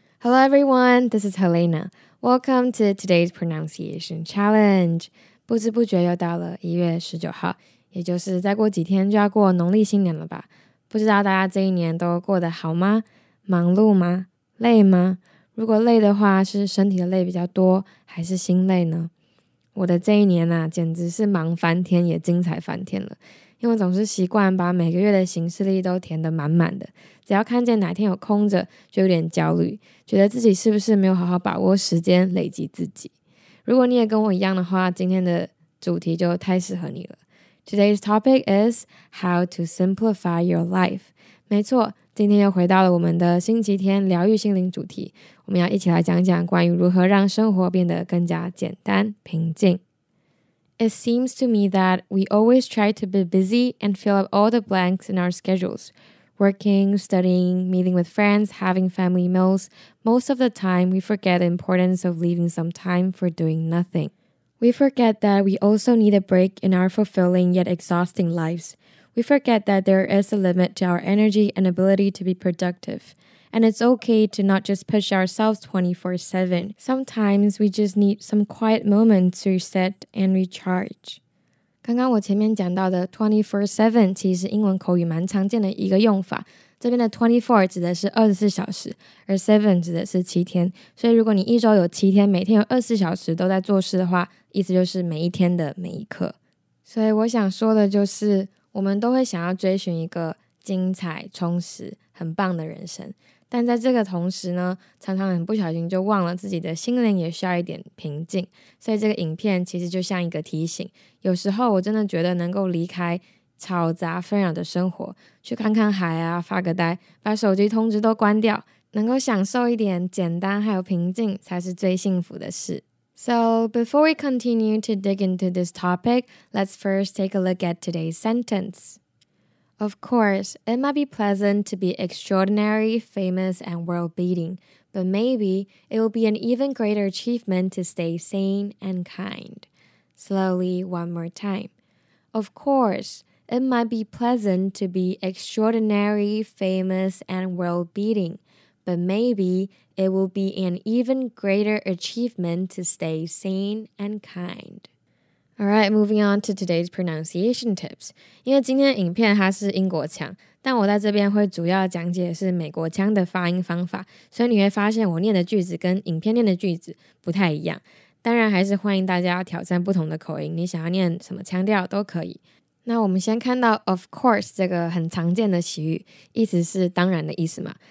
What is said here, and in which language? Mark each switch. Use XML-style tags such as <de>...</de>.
<en>Hello everyone, this is Helena. Welcome to today's pronunciation challenge.</en> <zh>不知不觉又到了1月19号，也就是再过几天就要过农历新年了吧。不知道大家这一年都过得好吗？忙碌吗？累吗？如果累的话，是身体的累比较多，还是心累呢？我的这一年啊，简直是忙翻天，也精彩翻天了。因为总是习惯把每个月的行事历都填得满满的，只要看见哪天有空着，就有点焦虑，觉得自己是不是没有好好把握时间累积自己。如果你也跟我一样的话，今天的主题就太适合你了。</zh> <en>Today's topic is How to simplify your life。</en> <zh>没错，今天又回到了我们的星期天疗愈心灵主题，我们要一起来讲讲关于如何让生活变得更加简单平静。</zh> <en>It seems to me that we always try to be busy and fill up all the blanks in our schedules. Working, studying, meeting with friends, having family meals. Most of the time, we forget the importance of leaving some time for doing nothing. We forget that we also need a break in our fulfilling yet exhausting lives. We forget that there is a limit to our energy and ability to be productive. And it's okay to not just push ourselves 24/7. Sometimes we just need some quiet moments to reset and recharge.</en> <zh>刚刚我前面讲到的 24/7 其实是英文口语蛮常见的一个用法。这边的 24 指的是24小时，而7指的是7天。所以如果你一周有7天，每天有24小时都在做事的话，意思就是每一天的每一刻。所以我想说的就是，我们都会想要追寻一个精彩、充实、很棒的人生，但在这个同时呢，常常很不小心就忘了自己的心灵也需要一点平静。所以这个影片其实就像一个提醒，有时候我真的觉得能够离开吵杂纷扰的生活，去看看海啊，发个呆，把手机通知都关掉，能够享受一点简单还有平静才是最幸福的事。</zh> <en>So before we continue to dig into this topic, let's first take a look at today's sentenceOf course, it might be pleasant to be extraordinary, famous, and world-beating, but maybe it will be an even greater achievement to stay sane and kind. Slowly, one more time. Of course, it might be pleasant to be extraordinary, famous, and world-beating, but maybe it will be an even greater achievement to stay sane and kind. Alright, moving on to today's pronunciation tips.</en> <zh>因为今天的影片它是英国腔，但我在这边会主要讲解是美国腔的发音方法，所以你会发现我念的句子跟影片念的句子不太一样。当然还是欢迎大家挑战不同的口音，你想要念什么腔调都可以。那我们先看到 of course 这个很常见的习语，意思是当然的意思嘛。</zh>